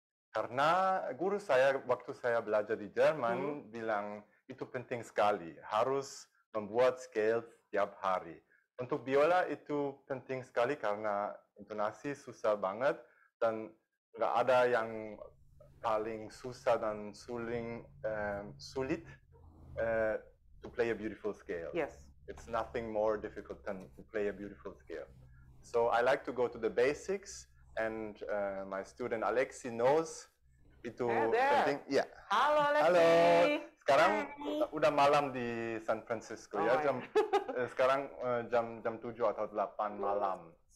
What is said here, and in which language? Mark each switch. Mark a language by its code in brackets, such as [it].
[id] Karena guru saya waktu saya belajar di Jerman bilang itu penting sekali, harus membuat scales setiap hari. Untuk biola itu penting sekali karena intonasi susah banget dan nggak ada yang paling susah dan sulit [en] to play a beautiful scale. Yes. It's nothing more difficult than to play a beautiful scale. So I like to go to the basics, and my student Alexi knows [id] itu penting. [en] Yeah. Halo Alexi. Halo. [id] Sekarang udah malam di San Francisco ya. Jam sekarang jam 7 atau 8 malam.